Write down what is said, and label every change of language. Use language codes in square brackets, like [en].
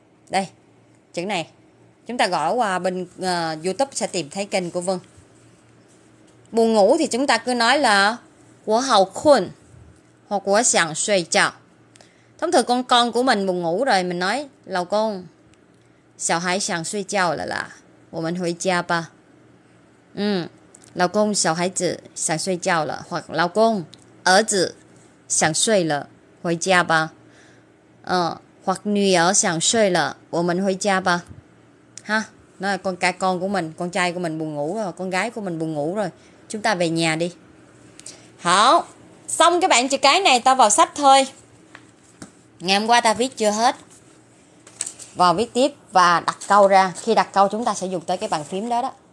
[vi] Đây, chữ này. Chúng ta gõ qua bên YouTube sẽ tìm thấy kênh của Vân. Buồn ngủ thì chúng ta cứ nói là [zh] 我好困, [vi] hoặc [zh] 我想睡觉. [vi] Thông thường con của mình buồn ngủ rồi, mình nói lão con, [zh] 小孩想睡觉, [vi] là [zh] 我们回家吧. [vi] Lão con, [zh] 小孩子想睡觉了, [vi] hoặc lão con, [zh] 儿子 想睡了,回家吧. [vi] Hoặc [zh] 女儿想睡了,我们回家吧. [vi] Ha, nó là con cái con của mình, con trai của mình buồn ngủ rồi, con gái của mình buồn ngủ rồi, chúng ta về nhà đi. Hảo, xong các bạn chữ cái này tao vào sách thôi. Ngày hôm qua ta viết chưa hết. Vào viết tiếp và đặt câu ra. Khi đặt câu chúng ta sẽ dùng tới cái bàn phím đó đó.